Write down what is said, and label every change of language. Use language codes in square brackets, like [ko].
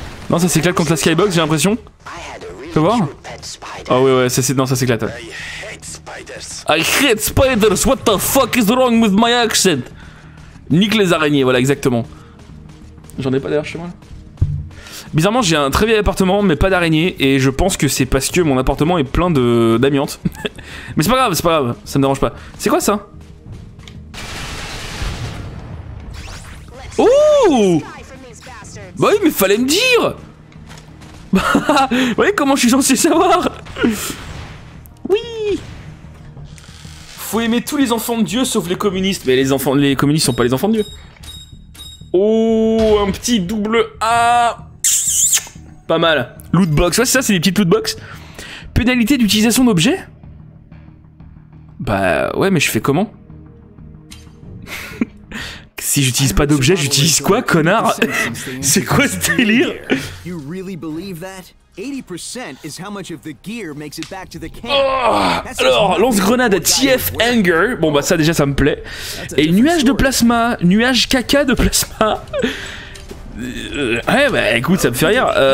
[fr] Non, ça s'éclate contre la skybox, j'ai l'impression. Tu peux voir? Oh ouais, ça s'éclate. [en] I hate spiders, what the fuck is wrong with my accent? [fr] Nique les araignées, voilà, exactement. J'en ai pas d'ailleurs chez moi. Bizarrement, j'ai un très vieil appartement, mais pas d'araignées, et je pense que c'est parce que mon appartement est plein d'amiante. Mais c'est pas grave, ça me dérange pas. C'est quoi ça? Ouh! Bah oui, mais fallait me dire! Vous voyez comment je suis censé savoir? Oui! Faut aimer tous les enfants de Dieu sauf les communistes. Mais les communistes sont pas les enfants de Dieu. Oh, un petit double A! Pas mal. Lootbox, ouais, c'est ça, c'est des petites lootbox. Pénalité d'utilisation d'objets? Bah ouais, mais je fais comment? Si j'utilise pas d'objet, j'utilise quoi, connard? C'est quoi ce délire? [en] You really believe that? 80% is how much of the gear makes it back to the camp. [fr] Alors, lance-grenade TF Anger. Bon bah ça déjà ça me plaît. Et nuage de plasma, nuage caca de plasma. Ouais, bah écoute, ça me fait rire.